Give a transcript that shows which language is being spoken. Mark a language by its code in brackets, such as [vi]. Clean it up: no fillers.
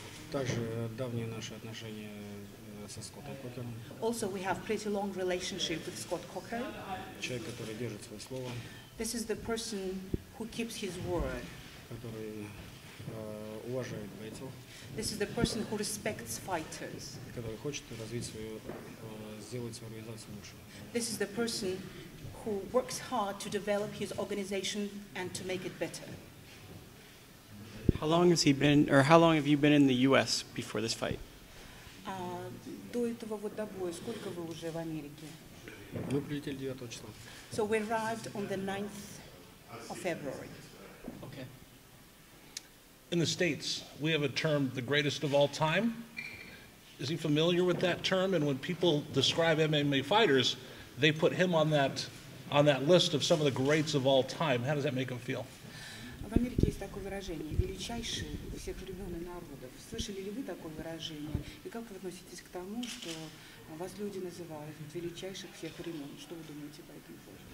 [ru] Также давние наши отношения со Скоттом Кокером. [en] Also, we have pretty long relationship with Scott Coker. [ru] Человек, который держит свое слово. [en] This is the person who keeps his word. [ru] Который уважает бойцов. [en] This is the person who respects fighters. [ru] Который хочет развить свою, сделать свою организацию лучше. [en] This is the person who works hard to develop his organization and to make it better. How long has he been, or how long have you been in the U.S. before this fight? [ru] До этого вот до боя, сколько вы уже в Америке? Мы прилетели 9 числа. [en] So we arrived on the 9th of February. Okay. In the States, we have a term, the greatest of all time. Is he familiar with that term? And when people describe MMA fighters, they put him on that list of some of the greats of all time. How does that make him feel? [ru] В Америке есть такое выражение, величайший всех времен и народов. Слышали ли вы такое выражение? И как вы относитесь к тому, что вас люди называют величайших всех времен? Что вы думаете по этому поводу?